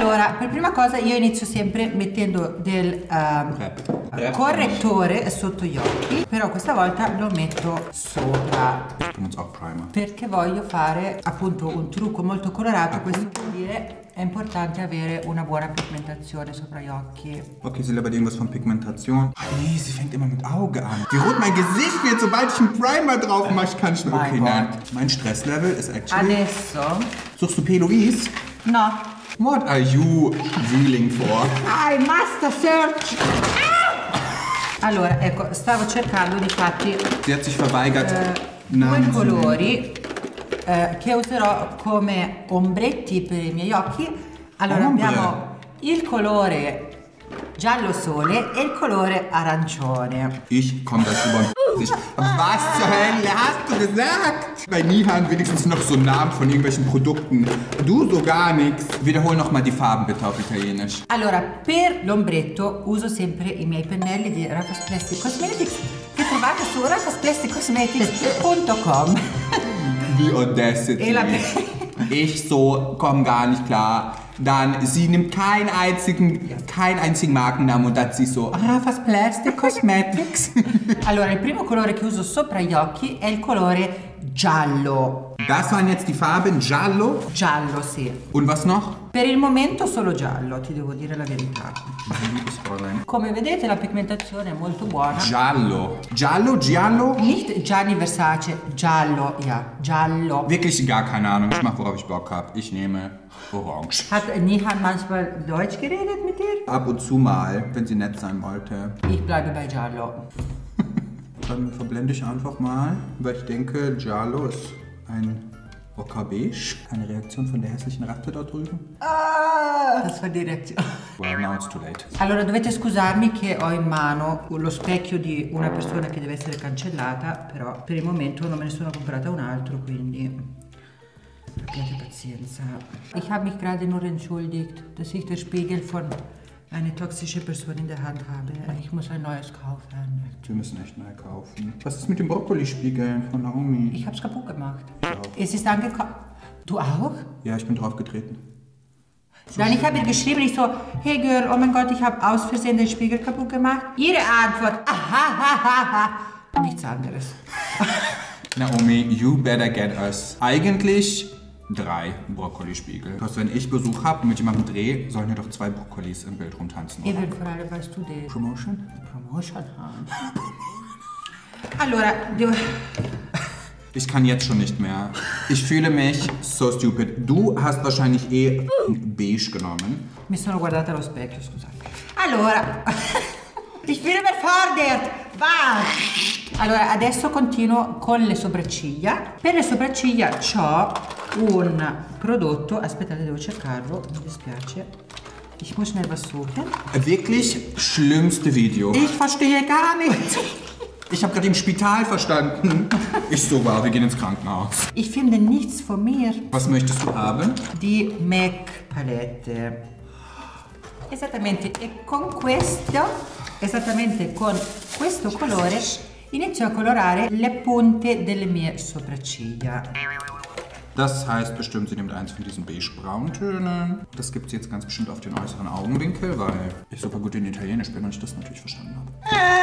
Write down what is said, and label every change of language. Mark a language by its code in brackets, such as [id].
[it] Allora, per prima cosa io inizio sempre mettendo del correttore sotto gli occhi. Però questa volta lo metto sopra. Perché voglio fare appunto un trucco molto colorato. Okay. Questo vuol dire è importante avere una buona pigmentazione sopra gli occhi. [de] Ok, si labert irgendwas von Pigmentation. Ah, nee, sie fängt immer mit Auge an. Wie rot mein Gesicht wird, sobald ich einen Primer drauf mache, kann ich nicht. Okay, nein. Mein Stresslevel ist actually. [it] Adesso. [de] Suchst du Peloise? [it] No. [en] What are you drooling for? I must search. [it] Allora, ecco, stavo cercando di fatti. [de] Sie hat sich verweigert. [it] Due colori che userò come ombretti per i miei occhi. Allora abbiamo il colore giallo sole e il colore arancione. [de] Ich komme da über. Was zur Hölle hast du gesagt? Bei Nihan wenigstens noch so Namen von irgendwelchen Produkten. Du so gar nichts. Wiederhol nochmal die Farben bitte auf Italienisch. [it] Allora, per l'ombretto uso sempre i miei pennelli di Raffles Plastic Cosmetics. Che trovate su raffasplasticcosmetics.com. [de] Wie audacity. Ich so komm gar nicht klar. Dann, sie nimmt keinen einzigen, Markennamen und dann sie so [en] Raffas Plastic Cosmetics. [it] Allora, il primo colore che uso sopra gli occhi è il colore giallo. [de] Das waren jetzt die Farben giallo? [it] Giallo, sì. [de] Und was noch? [it] Per il momento solo giallo, ti devo dire la verità. Come vedete la pigmentazione è molto buona. Giallo. Giallo, giallo? [de] Nicht Gianni Versace, giallo, ja, giallo. Wirklich gar keine Ahnung, ich mach worauf ich Bock hab. Ich nehme Orange. Hat Nihan manchmal Deutsch geredet mit dir? Ab und zu mal, wenn sie nett sein wollte. Ich bleibe bei giallo. Dann verblende ich einfach mal, weil ich denke, giallo ist ein Ocker-Beige. Eine Reaktion von der hässlichen Ratte da drüben. Ah, das war die Reaktion. [en] Well, now it's too late. [it] Allora, dovete scusarmi che ho in mano lo specchio di una persona che deve essere cancellata, però per il momento non me ne sono comprata un altro, quindi abbiate pazienza. [de] Ich habe mich gerade nur entschuldigt, dass ich den Spiegel von eine toxische Person in der Hand habe. Ich muss ein neues kaufen. Wir müssen echt neu kaufen. Was ist mit dem Brokkoli-Spiegeln von Naomi? Ich hab's kaputt gemacht. Es ist angekommen. Du auch? Ja, ich bin draufgetreten. Nein, ich habe ihr geschrieben, ich so, hey girl, oh mein Gott, ich habe aus Versehen den Spiegel kaputt gemacht. Ihre Antwort, ahahaha. Nichts anderes. [en] Naomi, you better get us. [de] Eigentlich 3 Brokkolispiegel. Das heißt, wenn ich Besuch habe mit jemandem Dreh, sollen hier doch 2 Brokkolis im Bild rumtanzen. Ich will fragen, weißt du das? Promotion? Promotion haben. [it] Allora, [de] du. Ich kann jetzt schon nicht mehr. Ich fühle mich so stupid. Du hast wahrscheinlich eh beige genommen. [it] Mi sono guardata allo specchio, scusate. Allora. [de] Ich fühle mich fordert. Was? [it] Allora, adesso continuo con le sopracciglia. Per le sopracciglia c'ho un prodotto. Aspettate, devo cercarlo. Mi dispiace. [de] Ich muss schnell was suchen. Wirklich schlimmste Video. Ich verstehe gar nichts. Ich habe gerade im Spital verstanden. Ich so, war, wir gehen ins Krankenhaus. Ich finde nichts von mir. Was möchtest du haben? Die MAC Palette. [it] Esattamente. E con questo, esattamente con questo colore, inizio a colorare le punte delle mie sopracciglia. [de] Das heißt bestimmt, sie nimmt eins von diesen beige-braunen Tönen. Das gibt sie jetzt ganz bestimmt auf den äußeren Augenwinkel, weil ich super gut in Italienisch bin und ich das natürlich verstanden habe.